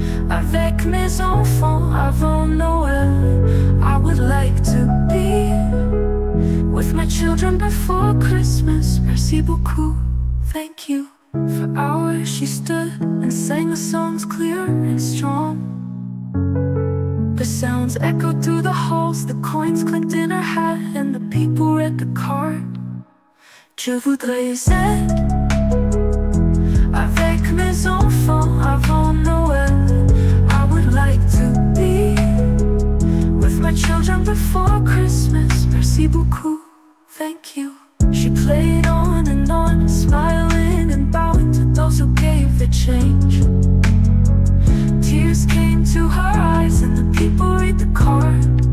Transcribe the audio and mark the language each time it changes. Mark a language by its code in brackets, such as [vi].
[fr] Avec mes enfants avant Noël, [en] I would like to be with my children before Christmas. [fr] Merci beaucoup, [en] thank you. For hours she stood and sang the songs clear and strong. The sounds echoed through the halls, the coins clinked in her hat, and the people read the card. [fr] Je voudrais être avec mes enfants avant Noël. [en] I would like to be with my children before Christmas. [fr] Merci beaucoup, [en] thank you. She played on and on, smiling and bowing to those who gave the change. Tears came to her eyes and the people read the card.